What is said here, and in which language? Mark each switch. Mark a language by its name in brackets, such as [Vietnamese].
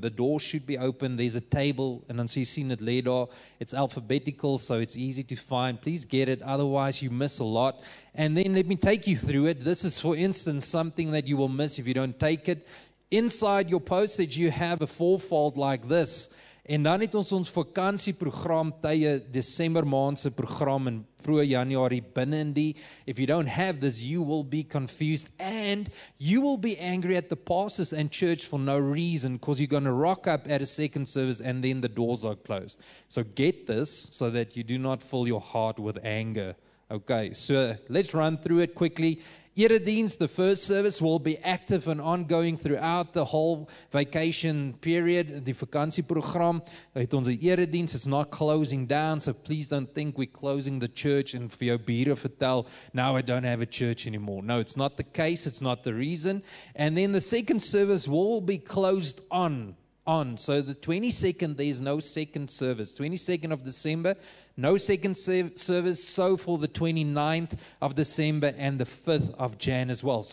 [English] The door should be open. There's a table. And then so you've seen it laid out. It's alphabetical, so it's easy to find. Please get it. Otherwise, you miss a lot. And then let me take you through it. This is, for instance, something that you will miss if you don't take it. Inside your postage, you have a fourfold like this. [Afrikaans] En dan het ons vakansieprogram tye December maandse program in vroeg januari binnen in die. [English] If you don't have this, you will be confused and you will be angry at the pastors and church for no reason because you're going to rock up at a second service and then the doors are closed. So get this so that you do not fill your heart with anger. Okay, so let's run through it quickly. Eredienst, the first service, will be active and ongoing throughout the whole vacation period. [Afrikaans] Die vakansieprogram het ons 'n eredienst. [English] It's not closing down, so please don't think we're closing the church and [Afrikaans] vir jou bure vertel, [English] now I don't have a church anymore. No, it's not the case. It's not the reason. And then the second service will be closed on. So the 22nd, there's no second service. 22nd of December, no second service, so for the 29th of December and the 5th of Jan as well.